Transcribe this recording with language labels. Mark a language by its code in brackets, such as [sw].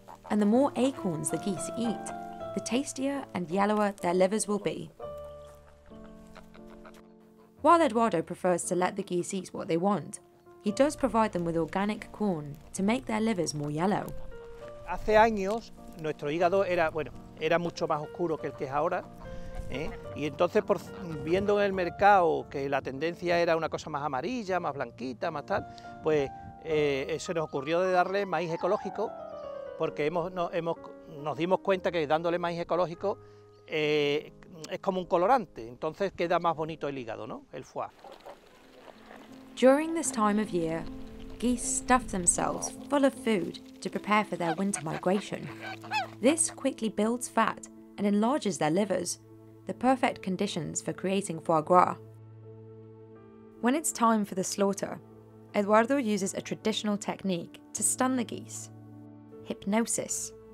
[en] And the more acorns the geese eat, the tastier and yellower their livers will be. While Eduardo prefers to let the geese eat what they want, he does provide them with organic corn to make their livers more yellow. [es] Hace años, nuestro hígado era, bueno, era mucho más oscuro que el que es ahora. Y entonces, viendo en el mercado que la tendencia era una cosa más amarilla, más blanquita, más tal, pues se nos ocurrió de darle maíz ecológico, porque nos dimos cuenta que dándole maíz ecológico es como un colorante, entonces queda más bonito el hígado, ¿no? El foie. [en] During this time of year, geese stuff themselves full of food to prepare for their winter migration. This quickly builds fat and enlarges their livers, the perfect conditions for creating foie gras. When it's time for the slaughter, Eduardo uses a traditional technique to stun the geese, hypnosis.